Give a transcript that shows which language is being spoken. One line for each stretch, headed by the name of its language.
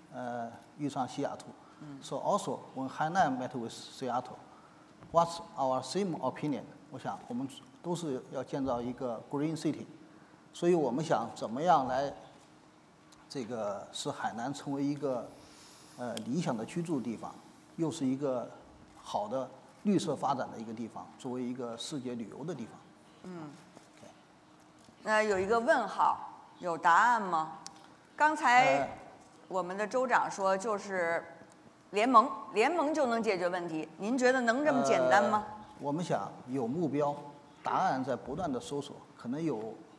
Chinese: 我们问问海南省的副省长。对，我呢是我太太常给我抱怨说房子的质量不好，啊，一样。那么我想在海南呢，我们因为我分管是在城建，我们看过个电影，就是当北京遇上西雅图。Mm.
English: So also when Hainan met with Seattle, what's our same opinion?
Chinese: 我想我们都是要建造一个
English: green city。
Chinese: 所以我们想怎么样来这个使海南成为一个理想的居住地方，又是一个好的绿色发展的一个地方，作为一个世界旅游的地方。嗯。那有一个问号，有答案吗？刚才我们的州长说，就是联盟就能解决问题。您觉得能这么简单吗？我们想有目标，答案在不断的搜索，可能有